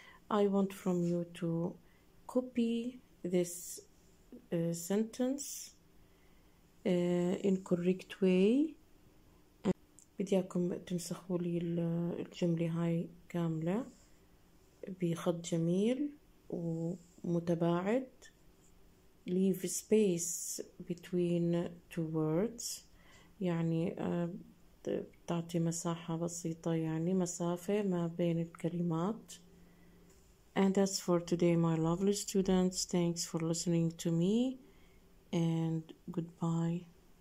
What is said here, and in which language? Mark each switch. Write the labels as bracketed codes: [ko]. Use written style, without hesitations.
[en] I want from you to copy this sentence in correct way. [ar] بديكم تنسخوا لي الجملة هاي كاملة بخط جميل ومتباعد. [en] Leave space between two words. [ar] يعني تعطي مساحة بسيطة يعني مسافة ما بين الكلمات. [en] And that's for today, my lovely students. Thanks for listening to me. And goodbye.